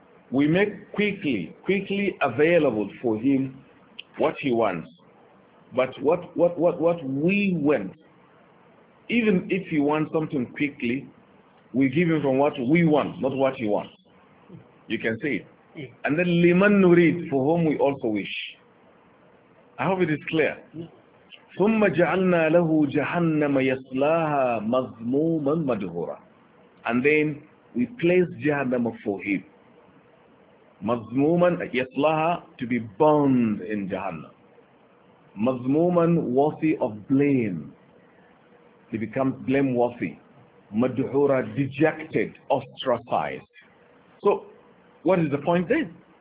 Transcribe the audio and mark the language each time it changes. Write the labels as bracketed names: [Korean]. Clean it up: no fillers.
[English] We make quickly available for him what he wants. But what we want, even if he wants something quickly, we give him from what we want, not what he wants. You can see it. And then liman nurid, for whom we also wish. I hope it is clear. [Arabic] ثم جعلنا له جهنم يصلاها مذموما مدهورا. [English] And then we place Jahannam for him. [Arabic] مذموما يصلاها, [English] to be burned in Jahannam. مذموما worthy of blame. He becomes blame worthy. مدهورا dejected, ostracized. So what is the point then?